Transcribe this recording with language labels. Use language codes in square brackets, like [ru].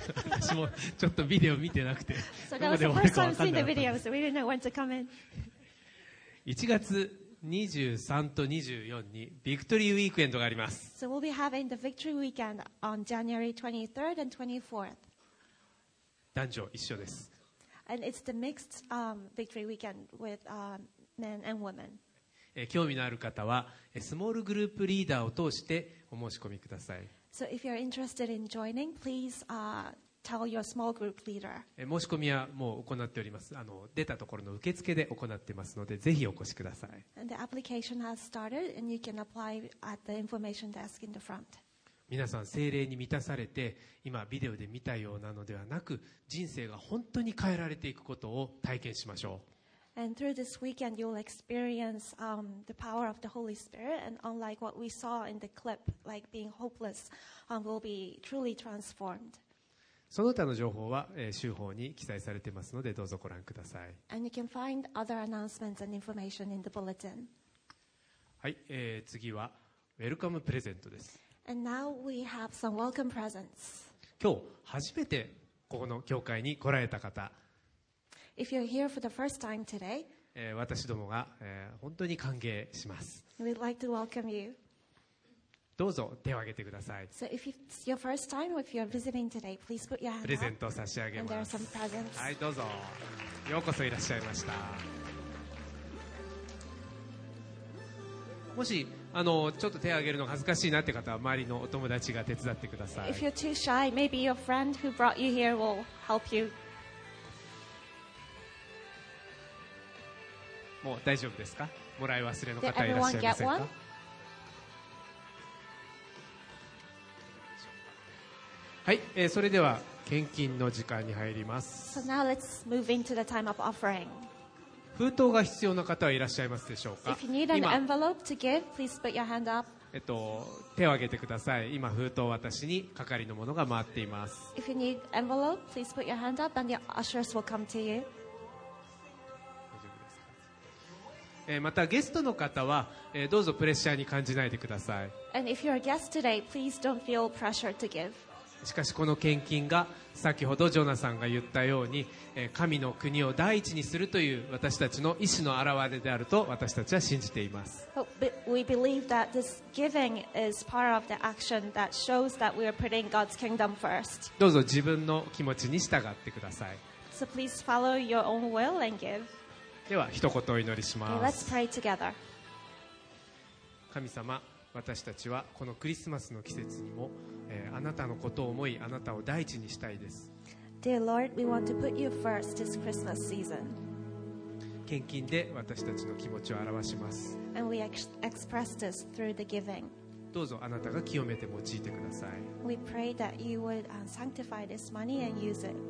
[ja] 私もちょっとビデオ見てなくて、どこで終わるか分かんなかったんです。 1月23 と24にビクトリーウィークエンドがあります。 [en] So we'll be having the victory weekend on January 23rd and 24th. [ja] 男女一緒です。 [en] And it's the mixed victory weekend with men and women. [ja] 興味のある方はスモールグループリーダーを通してお申し込みください。 [en] So if you're interested in joining, please tell your small group leader. [ja] 申し込みはもう行っております。出たところの受付で行ってますので、ぜひお越しください。 [en] And the application has started, and you can apply at the information desk in the front. [ja] 皆さん聖霊に満たされて、今ビデオで見たようなのではなく、人生が本当に変えられていくことを体験しましょう。 [en] And through this weekend, you'll experience the power of the Holy Spirit. And unlike what we saw in the clip, like being hopeless, will be truly transformed. [ja] その他の情報は、週報に記載されていますので、どうぞご覧ください。 [en] And you can find other announcements and information in the bulletin. [ja] はい、次はウェルカムプレゼントです。 [en] And now we have some welcome presents. [ja] 今日初めてここの教会に来られた方。 [en] If you're here for the first time today, [ja] 私どもが、本当に歓迎します。 [en] We'd like to welcome you. [ja] どうぞ手を挙げてください。 [en] So if it's your first time, or if you're visiting today, please put your hand up. [ja] プレゼントを差し上げます。 [en] And there are some presents. [ja] はい、どうぞ。ようこそいらっしゃいました。もしちょっと手を挙げるのが恥ずかしいなって方は周りのお友達が手伝ってください。 [en] If you're too shy, maybe your friend who brought you here will help you. [ja] もう大丈夫ですか？もらい忘れの方いらっしゃいませんか？はい、それでは献金の時間に入ります。 [en] So now let's move into the time of offering. [ja] 封筒が必要な方はいらっしゃいますでしょうか？ [en] If you need an envelope to give, please put your hand up. [ja] 手を挙げてください。今封筒私に係のものが回っています。 [en] If you need envelope, please put your hand up and the ushers will come to you. [ja] またゲストの方はどうぞプレッシャーに感じないでください。 [en] And if you're a guest today, please don't feel pressure to give. [ja] しかしこの献金が先ほどジョナさんが言ったように神の国を第一にするという私たちの意思の表れであると私たちは信じています。 [en] We believe that this giving is part of the action that shows that we are putting God's kingdom first. [ja] どうぞ自分の気持ちに従ってください。 [en] So please follow your own will and give. [ja] では一言お祈りします。 [en] Okay, let's pray together. [ja] 神様、私たちはこのクリスマスの季節にも、あなたのことを思い、あなたを第一にしたいです。 [en] Dear Lord, we want to put you first this Christmas season. [ja] 献金で私たちの気持ちを表します。 [en] And we express this through the giving. [ja] どうぞあなたが清めて用いてください。 [en] We pray that you would sanctify this money and use it.